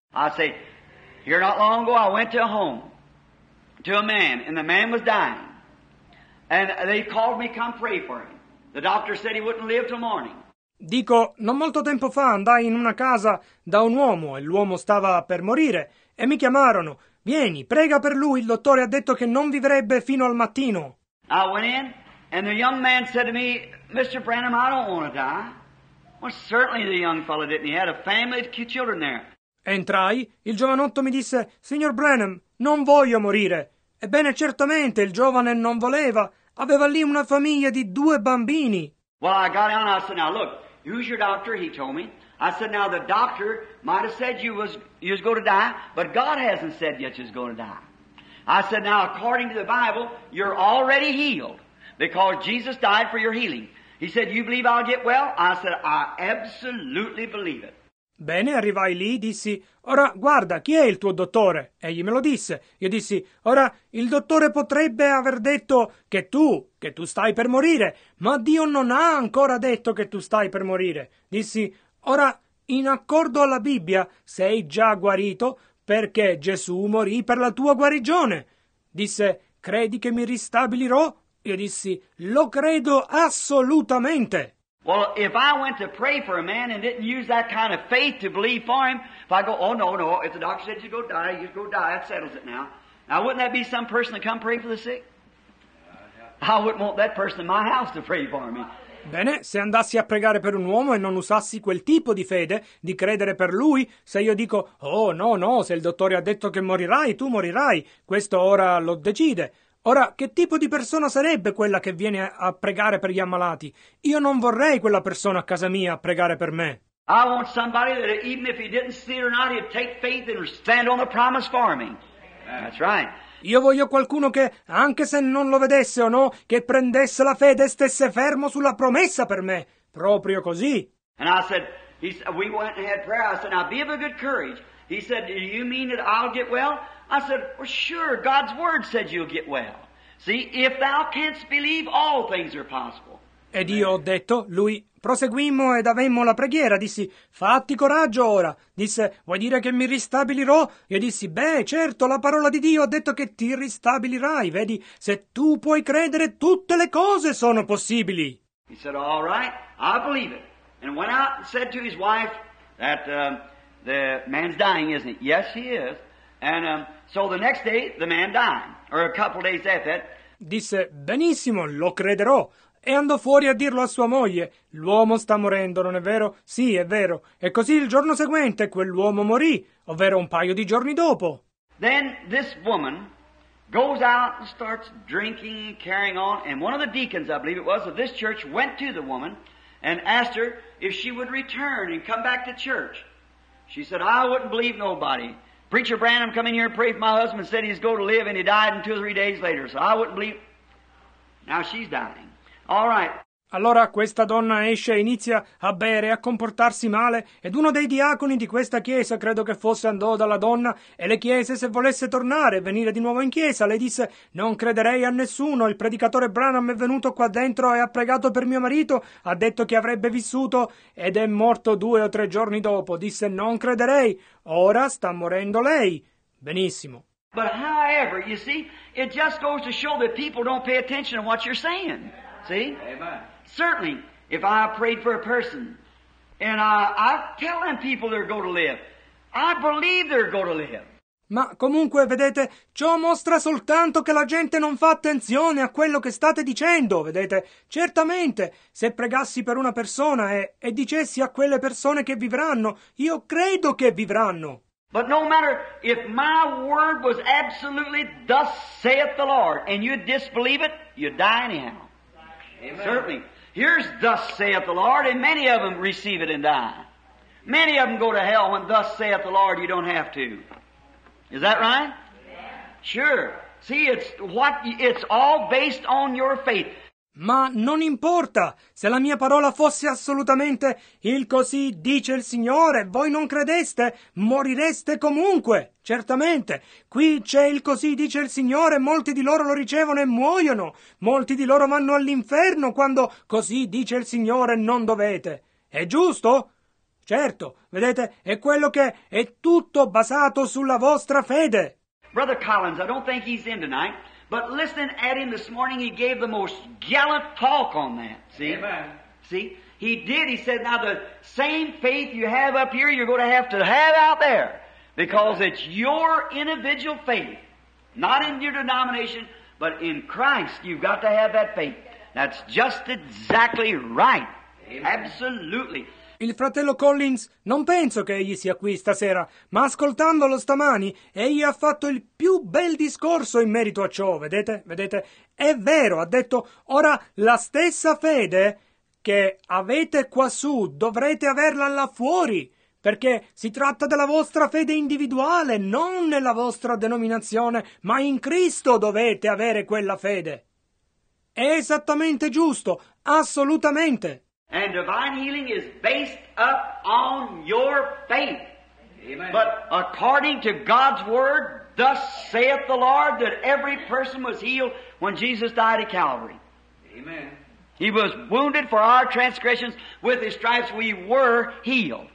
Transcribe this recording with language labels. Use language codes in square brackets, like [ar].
[en] I say, here not long ago I went to a home, to a man, and the man was dying. And they called me, come pray for him. The doctor said he wouldn't live till morning. [it] Dico, non molto tempo fa andai in una casa da un uomo e l'uomo stava per morire e mi chiamarono. Vieni, prega per lui, il dottore ha detto che non vivrebbe fino al mattino. [en] I went in and the young man said to me, Mr. Branham, I don't want to die. Well, certainly the young fellow didn't. He had a family of two children there. [it] Entrai, il giovanotto mi disse, signor Branham, non voglio morire. Ebbene, certamente il giovane non voleva. Aveva lì una famiglia di due bambini. [en] Well, I got down and I said, now look, who's your doctor? He told me. I said, now the doctor might have said you was going to die, but God hasn't said yet you was going to die. I said, now according to the Bible, you're already healed because Jesus died for your healing. He said, you believe I'll get well? I said, I absolutely believe it. [it] Bene, arrivai lì, dissi, ora guarda, chi è il tuo dottore? Egli me lo disse. Io dissi, ora il dottore potrebbe aver detto che tu stai per morire, ma Dio non ha ancora detto che tu stai per morire. Dissi, ora in accordo alla Bibbia sei già guarito perché Gesù morì per la tua guarigione. Disse, credi che mi ristabilirò? Io dissi, lo credo assolutamente. [en] Well, if I went to pray for a man and didn't use that kind of faith to believe for him, if I go, oh, no, no, if the doctor said you're going to die, you're going to die, that settles it now. Now, wouldn't that be some person to come pray for the sick? I wouldn't want that person in my house to pray for me. [it] Bene, se andassi a pregare per un uomo e non usassi quel tipo di fede, di credere per lui, se io dico, oh, no, no, se il dottore ha detto che morirai, tu morirai, questo ora lo decide. Ora, che tipo di persona sarebbe quella che viene a pregare per gli ammalati? Io non vorrei quella persona a casa mia a pregare per me. [en] I want somebody that even if he didn't see it or not, he'd take faith and stand on the promise for me. That's right. [it] Io voglio qualcuno che, anche se non lo vedesse o no, che prendesse la fede e stesse fermo sulla promessa per me. Proprio così. [en] And I said, we went and had prayer. I said, now be of a good courage. He said, do you mean that I'll get well? I said, well, sure, God's word said you'll get well. See, if thou canst believe, all things are possible. [it] Ed io ho detto, lui, proseguimmo ed avemmo la preghiera. Dissi, fatti coraggio ora. Disse, vuoi dire che mi ristabilirò? Io dissi, beh, certo, la parola di Dio ha detto che ti ristabilirai. Vedi, se tu puoi credere, tutte le cose sono possibili. [en] He said, all right, I believe it. And went out and said to his wife that the man's dying, isn't he? Yes, he is. And so the next day the man died, or a couple days after that. [it] Disse, benissimo, lo crederò. E andò fuori a dirlo a sua moglie. L'uomo sta morendo, non è vero? Sì, è vero. E così il giorno seguente quell'uomo morì, ovvero un paio di giorni dopo. [en] Then this woman goes out and starts drinking, carrying on, and one of the deacons, I believe it was, of this church, went to the woman and asked her if she would return and come back to church. She said, I wouldn't believe nobody. Preacher Branham come in here and pray for my husband, said he's going to live, and he died in two or three days later. So I wouldn't believe. Now she's dying. All right. [it] Allora questa donna esce e inizia a bere e a comportarsi male, ed uno dei diaconi di questa chiesa, credo che fosse, andò dalla donna e le chiese se volesse tornare e venire di nuovo in chiesa. Lei disse, non crederei a nessuno, il predicatore Branham è venuto qua dentro e ha pregato per mio marito, ha detto che avrebbe vissuto ed è morto due o tre giorni dopo. Disse, non crederei, ora sta morendo lei. Benissimo. [en] But however, you see, it just goes to show that people don't pay attention to what you're saying. See? Amen. Certainly, if I prayed for a person, and I tell them people they're going to live, I believe they're going to live. [it] Ma comunque, vedete, ciò mostra soltanto che la gente non fa attenzione a quello che state dicendo, vedete? Certamente, se pregassi per una persona e dicessi a quelle persone che vivranno, io credo che vivranno. [en] But no matter if my word was absolutely thus saith the Lord, and you disbelieve it, you'd die anyhow. Amen. Certainly. Here's thus saith the Lord, and many of them receive it and die. Many of them go to hell when thus saith the Lord, you don't have to. Is that right? Yeah. Sure. See, it's all based on your faith. [it] Ma non importa se la mia parola fosse assolutamente il così dice il Signore, voi non credeste, morireste comunque, certamente. Qui c'è il così dice il Signore, molti di loro lo ricevono e muoiono, molti di loro vanno all'inferno quando così dice il Signore non dovete. È giusto? Certo, vedete, è quello che è tutto basato sulla vostra fede. [en] Brother Collins, I don't think he's in tonight. But listening at him this morning, he gave the most gallant talk on that. See? Amen. See? He did. He said, now the same faith you have up here, you're going to have out there. Because it's your individual faith, not in your denomination, but in Christ, you've got to have that faith. That's just exactly right. Amen. Absolutely. [it] Il fratello Collins non penso che egli sia qui stasera, ma ascoltandolo stamani, egli ha fatto il più bel discorso in merito a ciò, vedete? Vedete? È vero, ha detto, ora la stessa fede che avete quassù dovrete averla là fuori, perché si tratta della vostra fede individuale, non nella vostra denominazione, ma in Cristo dovete avere quella fede. È esattamente giusto, assolutamente. [en] And divine healing is based up on your faith. Amen. But according to God's word, thus saith the Lord, that every person was healed when Jesus died at Calvary. Amen. He was wounded for our transgressions. With his stripes we were healed.